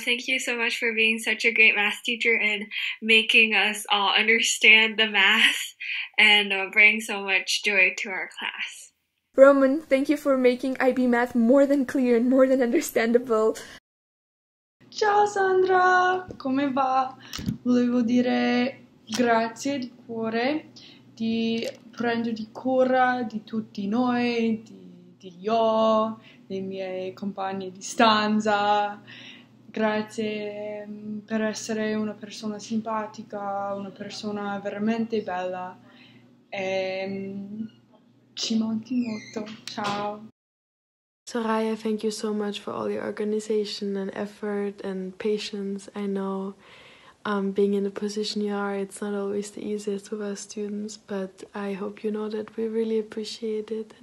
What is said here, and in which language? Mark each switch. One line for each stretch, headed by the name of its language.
English: Thank you so much for being such a great math teacher and making us all understand the math and bring so much joy to our class. Roman, thank you for making IB math more than clear and more than understandable.
Italian: Ciao Sandra, come va? Volevo dire grazie di cuore di prenderti cura di tutti noi, di io, dei miei compagni di stanza. Grazie per essere una persona simpatica, una persona veramente bella. E ci manchi molto. Ciao.
English: Soraya, thank you so much for all your organization and effort and patience. I know being in the position you are, it's not always the easiest with our students, but I hope you know that we really appreciate it.